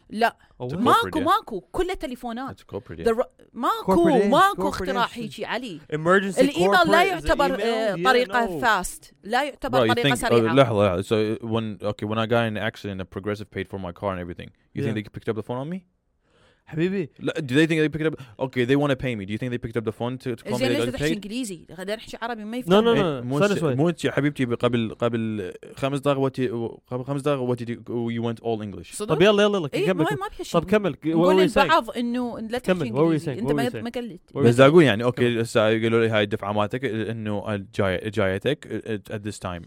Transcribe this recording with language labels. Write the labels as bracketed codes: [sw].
[ar] لا ماكو ماكو كله تليفونات ماكو ماكو اختراع هيجي علي الايميل لا يعتبر طريقه fast لا يعتبر طريقه سريعه [en] لحظه so when okay when I got in an accident a progressive paid for my car and everything you think they picked up the phone on me [ar] حبيبي [en] do they think they picked up okay they want to pay me do you think they picked up the phone to call me they got paid [ar] انجليزي غدر احكي عربي ما يفهم [en] no. [ar] مو انت يا حبيبتي قبل خمس دقائق [en] you went all english [ar] طب يلا يلا كمل طب كمل قول لبعض انه لا تحكي انجليزي انت ما قلت بس اقول يعني اوكي هسه قالوا لي هاي الدفعه مالتك انه جايتك [en] at this time